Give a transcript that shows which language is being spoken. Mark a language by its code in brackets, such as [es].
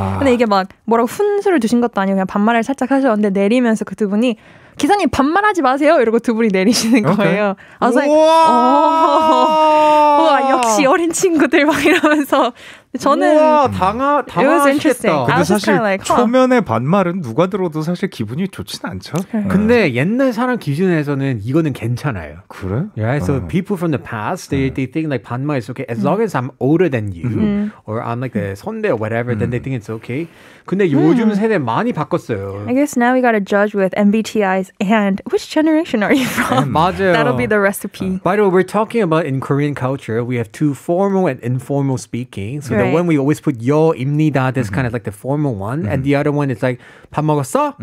[ko] 근데 이게 막 뭐라고 훈수를 주신 것도 아니고 그냥 반말을 살짝 하셨는데 내리면서 그 두 분이 기사님 반말하지 마세요 이러고 두 분이 내리시는 거예요. [en] Okay. I was like, [ko] 우와 역시 어린 친구들 막 이러면서 저는 우와, 당황하시겠다. 근데 사실 like, huh. 초면에 반말은 누가 들어도 사실 기분이 좋진 않죠. 근데 옛날 사람 기준에서는 이거는 괜찮아요. 그래? [en] Yeah, so people from the past, they think like 반말 is okay. As long as I'm older than you, or I'm like the 선배 or whatever, then they think it's okay. [ko] 근데 요즘 세대 많이 바꿨어요. [en] I guess now we gotta judge with MBTIs and which generation are you from? [ko] 맞아요. [en] That'll be the recipe. By the way, we're talking about in Korean culture, we have two formal and informal speaking. So right. the one we always put 여입니다, that's kind of like the formal one. And the other one is like [ko] 밥 먹었어?